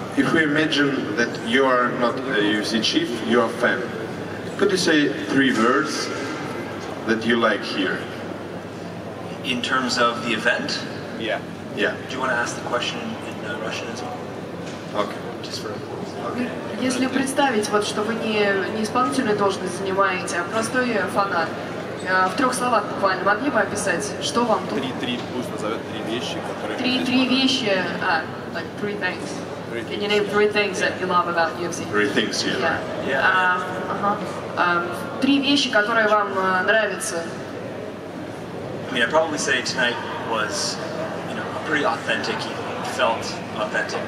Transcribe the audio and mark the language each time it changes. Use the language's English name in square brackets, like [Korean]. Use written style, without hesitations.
[English] If we imagine that you are not a UFC chief, you are a fan. Could you say three words that you like here? In terms of the event? Yeah. Yeah. Do you want to ask the question in Russian as well? Okay. Just for a okay. [Russian] Если представить, вот, что вы не исполнительную должность занимаете, а простой фанат, в трех словах буквально могли бы описать, что вам тут? Три, пусть назовет три вещи, которые... Три вещи, [English] like three things. Can you name three things that you love about UFC? Three things, yeah. [Russian] Три вещи, которые вам нравятся. [English] I mean, I'd probably say tonight was, you know, a pretty authentic, felt authentic.